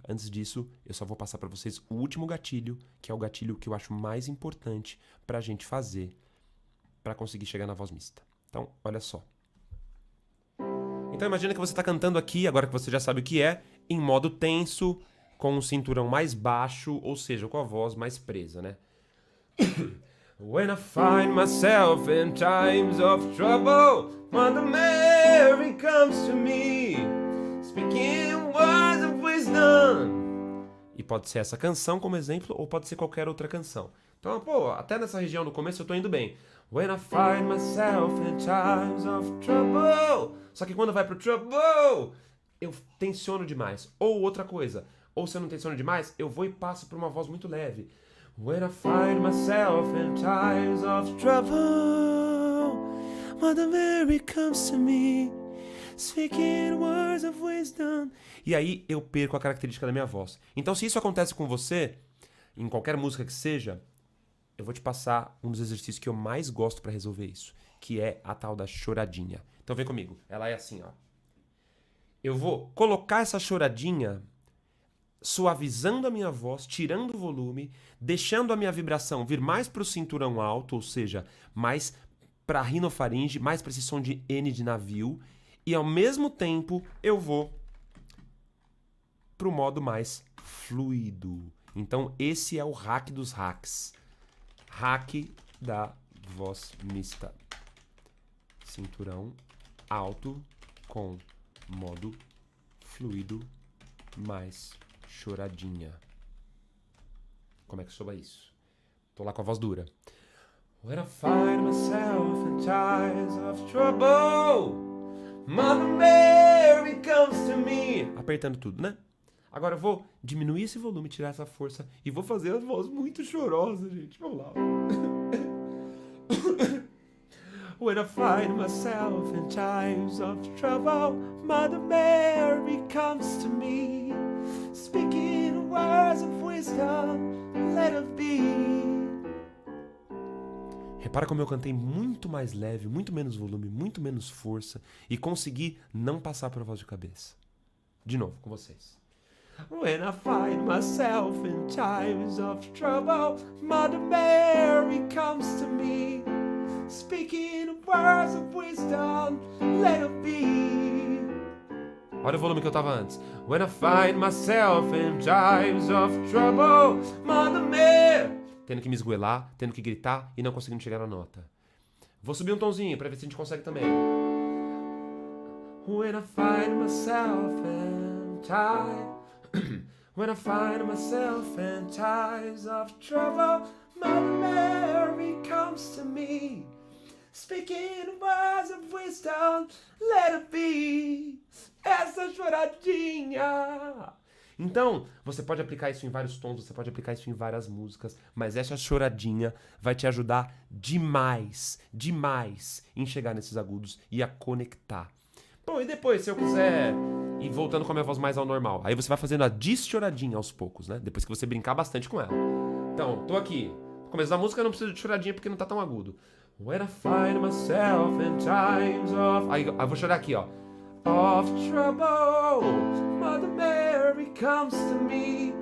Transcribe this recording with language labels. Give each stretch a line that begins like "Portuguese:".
Portuguese: Antes disso, eu só vou passar para vocês o último gatilho, que é o gatilho que eu acho mais importante para a gente fazer para conseguir chegar na voz mista. Então, olha só. Então, imagina que você está cantando aqui, agora que você já sabe o que é, em modo tenso, com o cinturão mais baixo, ou seja, com a voz mais presa, né?
English: When I find myself in times of trouble, Mother Mary comes to me, speaking words of wisdom.
Portuguese: E pode ser essa canção como exemplo, ou pode ser qualquer outra canção. Então, pô, até nessa região do começo eu tô indo bem.
English: When I find myself in times of trouble.
Portuguese: Só que quando vai pro trouble, eu tensiono demais. Ou outra coisa. Ou se eu não tensiono demais, eu vou e passo pra uma voz muito leve.
English: When I find myself in times of trouble, Mother Mary comes to me, speaking words of wisdom.
Portuguese: E aí eu perco a característica da minha voz. Então, se isso acontece com você, em qualquer música que seja, eu vou te passar um dos exercícios que eu mais gosto para resolver isso, que é a tal da choradinha. Então vem comigo, ela é assim, ó. Eu vou colocar essa choradinha suavizando a minha voz, tirando o volume, deixando a minha vibração vir mais para o cinturão alto, ou seja, mais para a rinofaringe, mais para esse som de N de navio, e ao mesmo tempo eu vou para o modo mais fluido. Então esse é o hack dos hacks. Hack da voz mista. Cinturão alto com modo fluido mais choradinha. Como é que soa isso? Tô lá com a voz dura.
English: When I find myself in times of trouble, Mother Mary comes to me.
Portuguese: Apertando tudo, né? Agora eu vou diminuir esse volume, tirar essa força e vou fazer as vozes muito chorosas, gente. Vamos lá.
English: When I find myself in times of trouble, Mother Mary comes to me, speaking words of wisdom, let it be.
Portuguese: Repara como eu cantei muito mais leve, muito menos volume, muito menos força e consegui não passar para a voz de cabeça. De novo, com vocês.
English: When I find myself in times of trouble, Mother Mary comes to me, speaking words of wisdom, let it be.
Portuguese: Olha o volume que eu tava antes.
English: When I find myself in times of trouble, Mother Mary...
Portuguese: Tendo que me esgoelar, tendo que gritar e não conseguindo chegar na nota. Vou subir um tonzinho pra ver se a gente consegue também.
English: When I find myself in time... When I find myself in times of trouble, Mother Mary comes to me, speaking words of wisdom, let it be,
Portuguese: essa choradinha. Então, você pode aplicar isso em vários tons, você pode aplicar isso em várias músicas, mas essa choradinha vai te ajudar demais, demais em chegar nesses agudos e a conectar. Bom, e depois, se eu quiser ir voltando com a minha voz mais ao normal, aí você vai fazendo a deschoradinha aos poucos, né? Depois que você brincar bastante com ela. Então, tô aqui. No começo da música eu não preciso de choradinha porque não tá tão agudo.
English: When I find myself in times of...
Portuguese: Aí eu vou chorar aqui, ó.
English: Of trouble, Mother Mary comes to me.